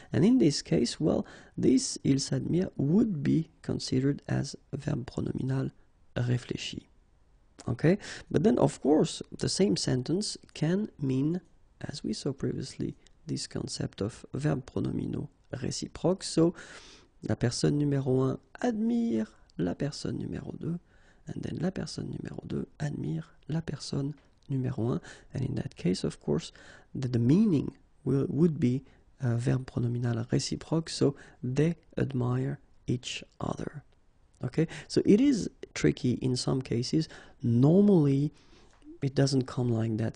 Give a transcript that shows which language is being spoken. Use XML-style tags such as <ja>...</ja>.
<en>And in this case, well, this</en> <fr>il s'admire</fr> <en>would be considered as</en> <fr>verbe pronominal réfléchi.</fr> <en>Okay? But then, of course, the same sentence can mean, as we saw previously, this concept of</en> <fr>verbe pronominal réciproque.</fr> <en>So,</en> <fr>la personne numéro 1 admire la personne numéro 2.</fr> <en>And then</en> <fr>la personne numéro 2 admire la personne numéro 1.</fr> <en>And in that case, of course, the meaning would be a</en> <fr>verbe pronominal réciproque.</fr> <en>So they admire each other. Okay? So it is tricky in some cases. Normally, it doesn't come like that.</en>